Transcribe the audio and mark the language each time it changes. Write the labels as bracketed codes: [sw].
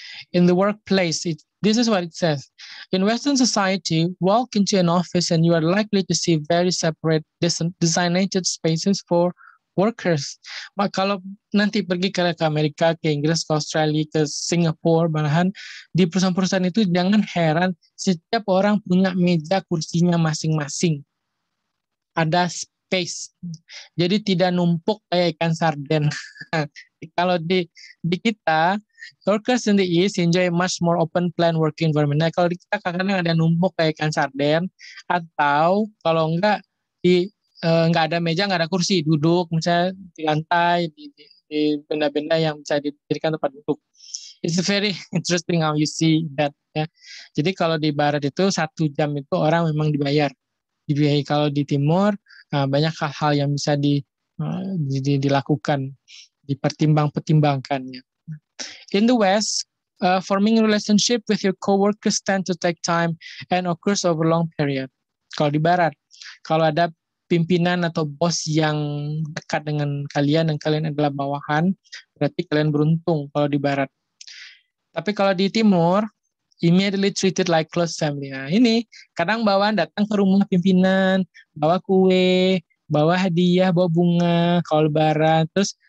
[en] In the workplace, this is what it says. In Western society, walk into an office and you are likely to see very separate designated spaces for workers. [id] But kalau nanti pergi ke Amerika, ke Inggris, ke Australia, ke Singapura, malahan di perusahaan-perusahaan itu jangan heran setiap orang punya meja kursinya masing-masing. Ada space. Jadi tidak numpuk kayak ikan sarden. Kalau di kita, [en] workers in the East enjoy much more open plan working environment. [id] Nah, kalau di kita kadang-kadang ada numpuk kayak ikan sarden, atau kalau enggak di nggak ada meja, nggak ada kursi, duduk misalnya di lantai, di benda-benda yang bisa dijadikan tempat duduk. [en] It's very interesting how you see that. [id] Ya. Jadi kalau di Barat itu satu jam itu orang memang dibayar. Kalau di Timur banyak hal-hal yang bisa dilakukan, dipertimbang-pertimbangkannya. [en] In the West, forming relationship with your coworkers tend to take time and occurs over long period. [id] Kalau di Barat, kalau ada pimpinan atau bos yang dekat dengan kalian dan kalian adalah bawahan, berarti kalian beruntung kalau di Barat. Tapi kalau di Timur, [en] immediately treated like close family. [id] Nah, ini kadang bawahan datang ke rumah pimpinan, bawa kue, bawa hadiah, bawa bunga, kalau Barat, terus